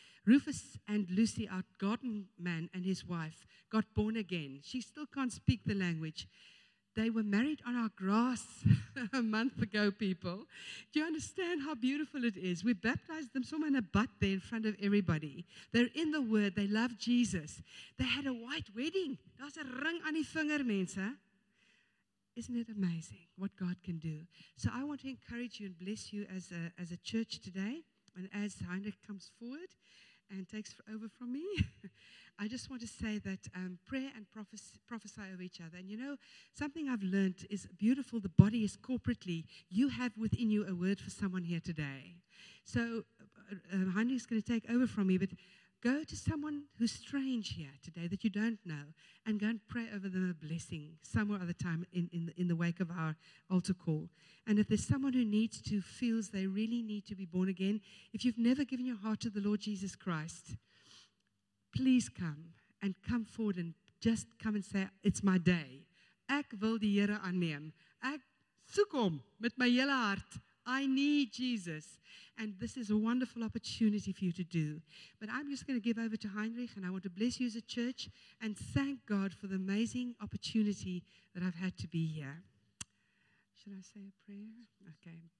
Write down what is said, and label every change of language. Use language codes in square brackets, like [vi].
[en] Rufus and Lucy, our garden man and his wife, got born again. She still can't speak the language. They were married on our grass a month ago, people. Do you understand how beautiful it is? We baptized them somewhere in a butt there in front of everybody. They're in the Word. They love Jesus. They had a white wedding. [af] Daar's 'n ring aan die vinger, mense. [en] Isn't it amazing what God can do? So I want to encourage you and bless you as a church today. And as Heinrich comes forward and takes over from me, I just want to say that prayer and prophesy over each other. And you know, something I've learned is beautiful. The body is corporately. You have within you a word for someone here today. So Heinrich is going to take over from me. But go to someone who's strange here today that you don't know and go and pray over them a blessing some or other time in the wake of our altar call. And if there's someone who needs to, feels they really need to be born again, if you've never given your heart to the Lord Jesus Christ, please come and come forward and just come and say, it's my day. [af] Ek wil die Here aanneem. Ek soek hom met my hele hart. [en] I need Jesus. And this is a wonderful opportunity for you to do. But I'm just going to give over to Heinrich, and I want to bless you as a church and thank God for the amazing opportunity that I've had to be here. Should I say a prayer? Okay.